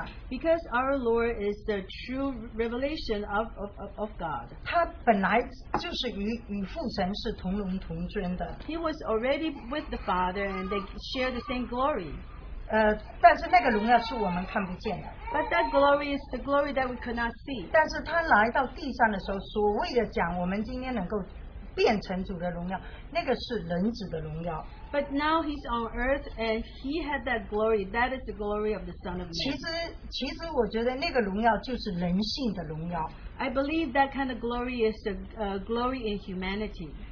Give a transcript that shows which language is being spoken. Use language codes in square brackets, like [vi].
[en] because our Lord is the true revelation of God. [zh] 他本来就是与父神是同荣同尊的。 [en] He was already with the Father and they share the same glory. [zh] 但是那个荣耀是我们看不见的。 [en] But that glory is the glory that we could not see. [zh] 但是他来到地上的时候, 所谓的讲我们今天能够变成主的荣耀, 那个是人子的荣耀。 [en] But now he's on earth and he had that glory. That is the glory of the Son of Man. I believe that kind of glory is the glory in humanity.